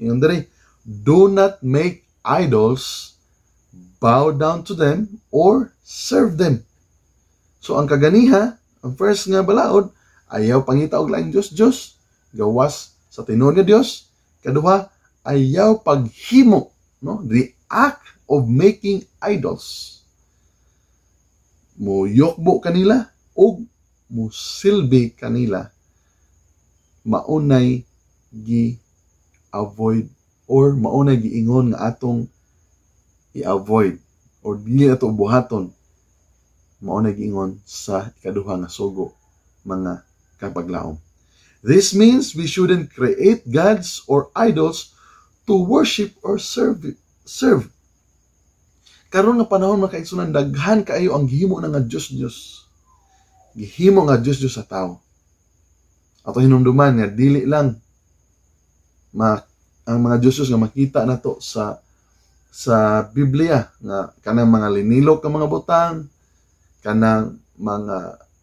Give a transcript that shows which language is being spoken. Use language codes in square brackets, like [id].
[ceb] Yung diri, [en] do not make idols, bow down to them, or serve them. [ceb] So ang kaganiha, ang first nga balaod, ayaw pangita og laing Dios, gawas sa tinuod nga Dios. Kaduha, ayaw paghimo, no? [en] The act of making idols. [ceb] Muyokbo kanila og musilbi kanila, maunay gi-avoid or maunay giingon nga atong i-avoid or dili ato buhaton, maunay giingon sa ikaduha nga sugo, mga kapaglaom. [en] This means we shouldn't create gods or idols to worship or serve. [ceb] Karon nga panahon, mga kaigsoonan, daghan kaayo ang gihimo na nga Dios. Gihimo nga Dios sa tao. Ato hinumduman nga dili lang ang mga Dios nga makita nato sa Biblia nga kanang mga linilok ka mga butang, kanang mga